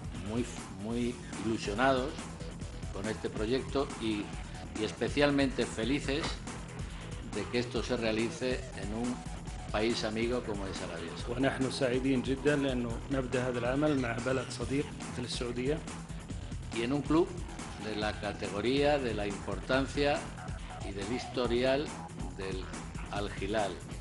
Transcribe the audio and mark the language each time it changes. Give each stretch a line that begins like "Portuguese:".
Spanish: muy, muy ilusionados con este proyecto y especialmente felices de que esto se realice en un país amigo como es Arabia Saudita.
Arabic: ونحن سعيدين جدا لأنه نبدأ هذا العمل مع بلد صديق مثل السعودية.
Spanish: Y en un club de la categoría, de la importancia y del historial del Al Hilal.